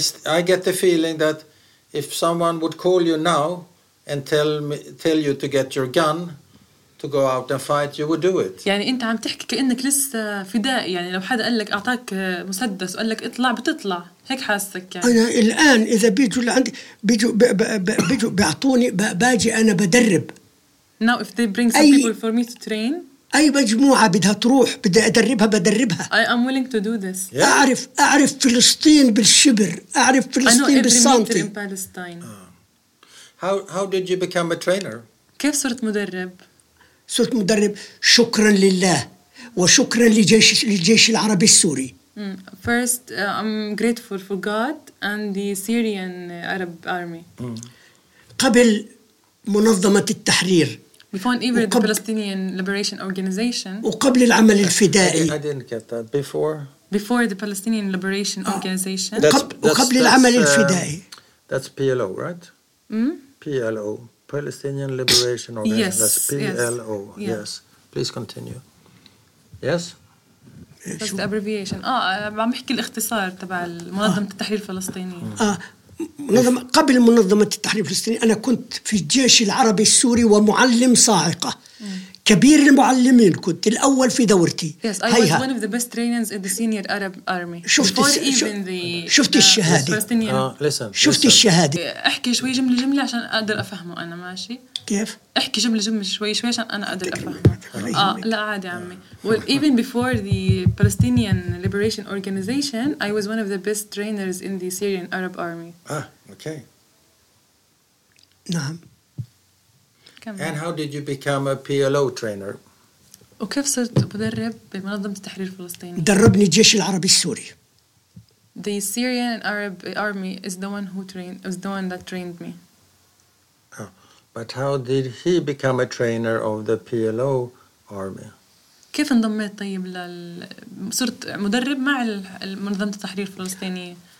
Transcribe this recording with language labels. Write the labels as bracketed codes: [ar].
[en] I get the feeling that if someone would call you now and tell you to get your gun. To go out and fight, you would do it. [ar] يعني أنت عم تحكي كأنك لسه فدائي يعني لو حدا قال لك أعطاك مسدس وقال لك اطلع بتطلع هيك حاسك يعني. أنا الآن إذا بيجوا لعندي بيجوا بيعطوني باجي أنا بدرب. [en] Now if they bring some people for me to train. [ar] أي مجموعة بدها تروح بدي أدربها بدربها. [en] I am willing to do this. Yeah. [ar] أعرف فلسطين بالشبر أعرف فلسطين بالسانتي. [en] I know every meter in Palestine. How did you become a trainer? [ar] كيف صرت مدرب؟ صرت مدرب شكرا لله وشكرا للجيش العربي السوري. [en] First, I'm grateful for God and the Syrian Arab Army. [ar] قبل منظمة التحرير. [en] Before and even the Palestinian Liberation Organization. [ar] وقبل العمل الفدائي. [en] I didn't get that. Before. Before the Palestinian Liberation Organization. [ar] وقبل العمل الفدائي. [en] That's PLO, right? PLO. Palestinian Liberation Organization. that's PLO. Yes. Yes. Please continue. Yes. That's the abbreviation. [ar] عم بحكي الاختصار تبع منظمة التحرير الفلسطينية. قبل منظمة التحرير الفلسطينية أنا كنت في الجيش العربي السوري ومعلم صاعقة. كبير المعلمين كنت الأول في دورتي. [en] Yes, I هيها. Was one of the best trainers in the senior Arab army. [ar] شفت الشهادة. شفت الشهادة. احكي شوي جملة جملة عشان أقدر أفهمه أنا ماشي. كيف؟ احكي جملة جملة شوي عشان أنا أقدر أفهمه. لا عادي عمي. [en] Well, even before the Palestinian Liberation Organization, I was one of the best trainers in the Syrian Arab army. Okay. [ar] نعم. [en] And how did you become a PLO trainer? [ar] وكيف صرت مدرب بمنظمة التحرير الفلسطيني؟ دربني الجيش العربي السوري. [en] The Syrian and Arab army is the one who trained, is the one that trained me. Oh, but how did he become a trainer of the PLO army? [ar] كيف انضميت طيب لل صرت مدرب مع المنظمة التحرير الفلسطينية؟